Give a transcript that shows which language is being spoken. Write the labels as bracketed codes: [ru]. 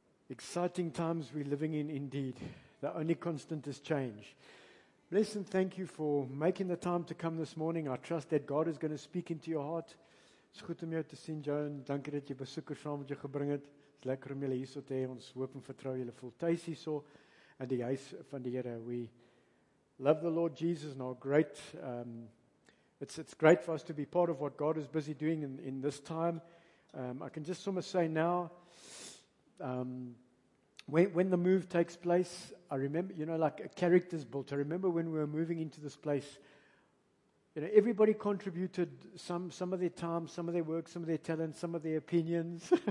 [en] Exciting times we're living in indeed. The only constant is change. Bless and thank you for making the time to come this morning. I trust that God is going to speak into your heart. It's good [af] om jou te sien, John. Dankie dat jy besoekers saam met jou gebring het. [en] It's [af] lekker om julle hier so te hê. Ons hoop en vertrou julle voel tuis hier so in die huis van die Here. [en] We love the Lord Jesus and our great it's great for us to be part of what God is busy doing in this time. I can just almost say now, when the move takes place, I remember, you know, like a character's built. I remember when we were moving into this place, you know, everybody contributed some of their time, some of their work, some of their talent, some of their opinions.